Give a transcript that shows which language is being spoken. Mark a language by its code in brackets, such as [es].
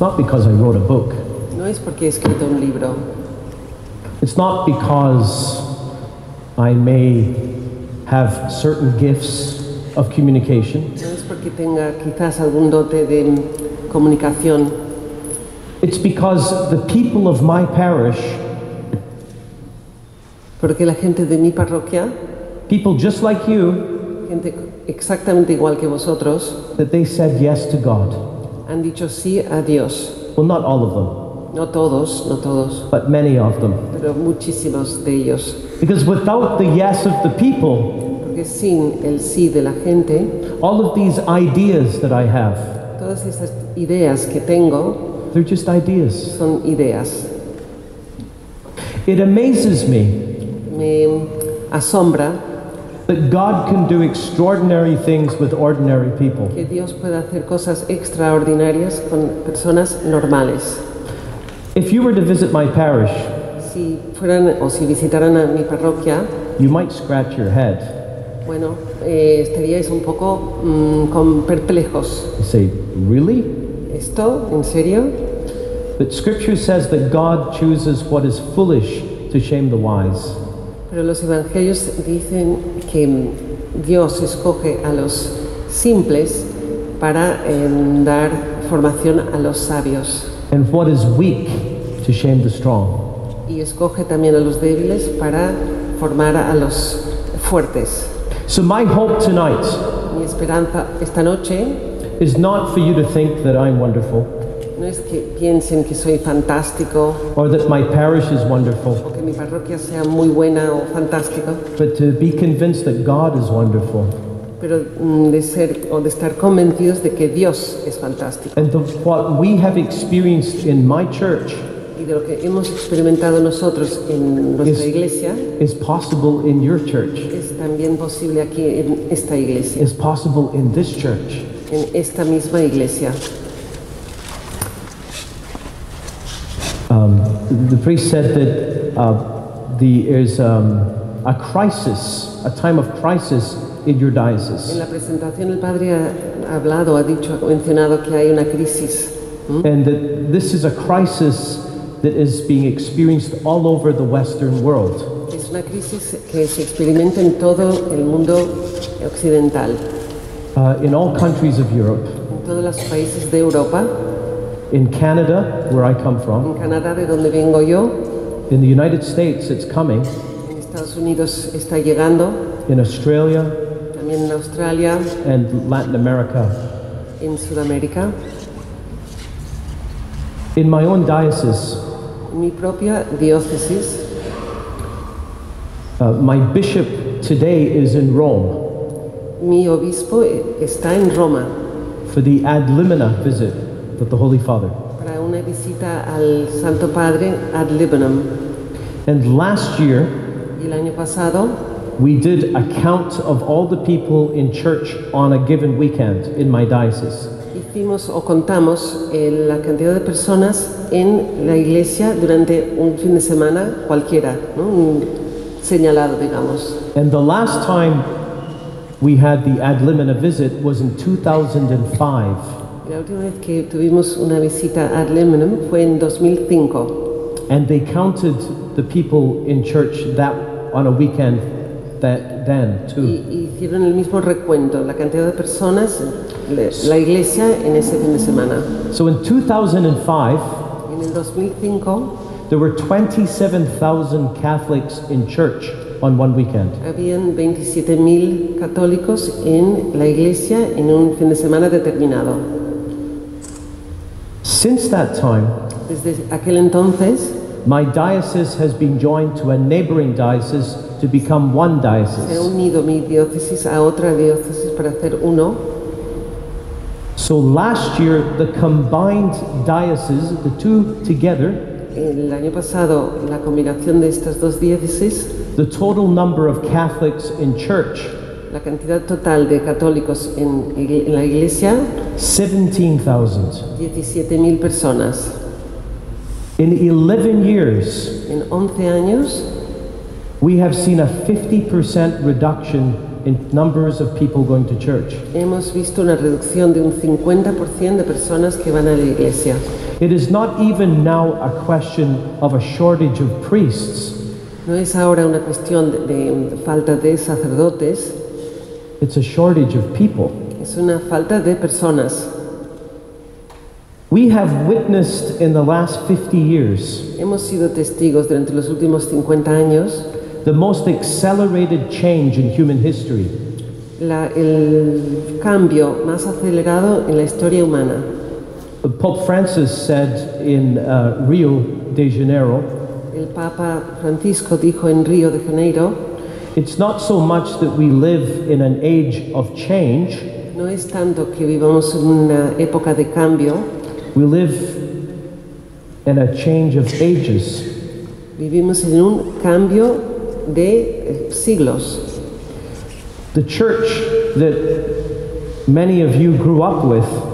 [en] not because I wrote a book. [es] No es porque he escrito un libro. [en] It's not because I may have certain gifts of communication. [es] No es porque tenga quizás algún dote de comunicación. [en] It's because the people of my parish, [es] porque la gente de mi parroquia, [en] people just like you, [es] gente exactamente igual que vosotros, [en] that they said yes to God, [es] han dicho sí a Dios. [en] Well, not all of them. [es] No todos. [en] But many of them. [es] Pero muchísimos de ellos. [en] Because without the yes of the people, [es] porque sin el sí de la gente, [en] all of these ideas that I have, [es] todas estas ideas que tengo, [en] they're just ideas. [es] Son ideas. [en] It amazes me. [es] Me asombra [en] that God can do extraordinary things with ordinary people. [es] Que Dios puede hacer cosas extraordinarias con personas normales. [en] If you were to visit my parish, [es] si fueran o si visitaran a mi parroquia, [en] you might scratch your head. [es] Bueno, estaríais un poco con perplejos. [en] You say, really? [es] ¿Esto en serio? [en] But Scripture says that God chooses what is foolish to shame the wise. [es] Pero los evangelios dicen que Dios escoge a los simples para dar formación a los sabios. [en] And what is weak to shame the strong. [es] Y escoge también a los débiles para formar a los fuertes. [en] So my hope tonight, [es] mi esperanza esta noche, [en] is not for you to think that I'm wonderful. [es] No es que piensen que soy fantástico, [en] or that my parish is wonderful, [es] o que mi parroquia sea muy buena o fantástico, [en] but to be convinced that God is wonderful, [es] pero de ser o de estar convencidos de que Dios es fantástico, [en] and of what we have experienced in my church, [es] y de lo que hemos experimentado nosotros en nuestra iglesia, [en] is possible in your church, [es] es también posible aquí en esta iglesia, [en] is possible in this church, [es] en esta misma iglesia. [en] The priest said that there is a crisis, a time of crisis in your diocese. [es] En la presentación el padre ha hablado, ha dicho, ha mencionado que hay una crisis. [en] And that this is a crisis that is being experienced all over the Western world. [es] Es una crisis que se experimenta en todo el mundo occidental. [en] In all countries of Europe. [es] En todos los países de Europa. [en] In Canada, where I come from. [es] En Canadá, de donde vengo yo. [en] In the United States, it's coming. [es] En Estados Unidos está llegando. [en] In Australia. [es] También en Australia. [en] And Latin America. [es] En Sudamérica. [en] In my own diocese. [es] En mi propia diócesis. [en] My bishop today is in Rome. [es] Mi obispo está en Roma. [en] For the ad limina visit. With the Holy Father. [es] Para una visita al Santo Padre ad libitum. [en] And last year, [es] y el año pasado, [en] we did a count of all the people in church on a given weekend in my diocese. [es] Hicimos o contamos la cantidad de personas en la iglesia durante un fin de semana cualquiera, ¿no? Un señalado, digamos. [en] And the last time we had the ad limina visit was in 2005. [es] La última vez que tuvimos una visita ad limina fue en 2005. [en] And they counted the people in church that on a weekend that then too. [es] Y hicieron el mismo recuento, la cantidad de personas, la iglesia en ese fin de semana. [en] So in 2005, [es] en el 2005, [en] there were 27,000 Catholics in church on one weekend. [es] Habían 27,000 católicos en la iglesia en un fin de semana determinado. [en] Since that time, [es] desde aquel entonces, [en] my diocese has been joined to a neighboring diocese to become one diocese. [es] Se ha unido mi diócesis a otra diócesis para hacer uno. [en] So last year, the combined diocese, the two together, [es] el año pasado, la combinación de estas dos diócesis, [en] the total number of Catholics in church, [es] la cantidad total de católicos en la iglesia, [en] 17,000. [es] 17,000 personas. [en] In 11 years, [es] en 11 años, [en] we have seen a 50% reduction in numbers of people going to church. [es] Hemos visto una reducción de un 50% de personas que van a la iglesia. [en] It is not even now a question of a shortage of priests. [es] No es ahora una cuestión de falta de sacerdotes. [en] It's a shortage of people. [es] Es una falta de personas. [en] We have witnessed in the last 50 years. [es] Hemos sido testigos durante los últimos 50 años. [en] The most accelerated change in human history. [es] El cambio más acelerado en la historia humana. [en] Pope Francis said in Rio de Janeiro. [es] El Papa Francisco dijo en Río de Janeiro. [en] It's not so much that we live in an age of change. [es] No es tanto que vivamos en una época de cambio. [en] We live in a change of ages. [es] Vivimos en un cambio de siglos. [en] The church that many of you grew up with,